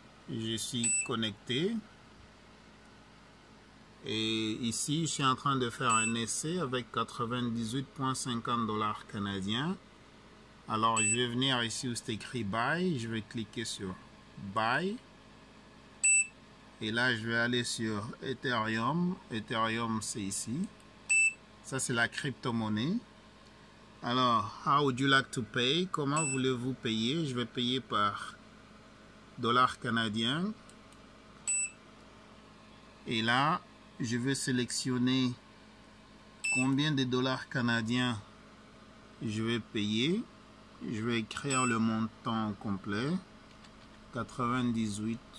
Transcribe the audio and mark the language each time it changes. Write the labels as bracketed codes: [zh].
[fr] Je suis connecté et ici je suis en train de faire un essai avec 98,50 dollars canadiens. Alors je vais venir ici où c'est écrit buy, je vais cliquer sur buy et là je vais aller sur Ethereum. Ethereum c'est ici. Ça c'est la crypto-monnaie. Alors, [en] how would you like to pay? [fr] Comment voulez-vous payer? Je vais payer par dollars canadiens et là je vais sélectionner combien de dollars canadiens je vais payer. Je vais écrire le montant complet 98,5.